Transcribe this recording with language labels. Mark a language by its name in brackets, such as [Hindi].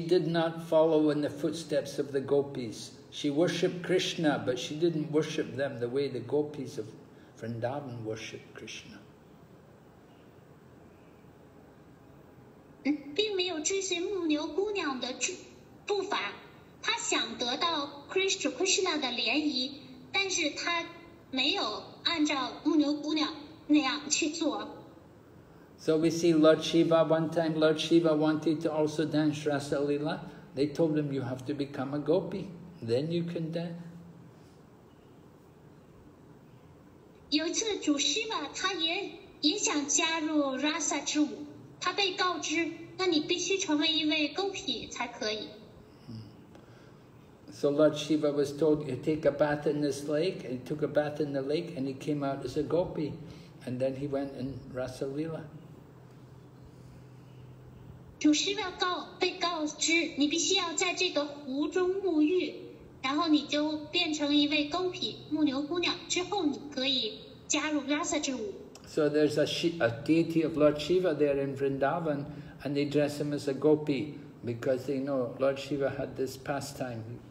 [English] did not follow in the footsteps of the gopis. She worshipped Krishna, but she didn't worship them the way the gopis of Vrindavan worship Krishna. [Chinese] 并没有追随牧牛姑娘的步伐。 [English] So we see Lord Shiva one time, Lord Shiva wanted to also dance Rasa Leela. They told him, you have to become a gopi, then you can dance. [Chinese] 那你必须成为一位勾匹才可以。 [English] So Lord Shiva was told to take a bath in this lake, and he took a bath in the lake, and he came out as a gopi, and then he went in Rasa Leela. [Chinese] 主师要告被告知，你必须要在这个湖中沐浴，然后你就变成一位勾匹牧牛姑娘，之后你可以加入 Rasa 之舞。 [English] So there's a deity of Lord Shiva there in Vrindavan, and they dress him as a gopi because they know Lord Shiva had this pastime.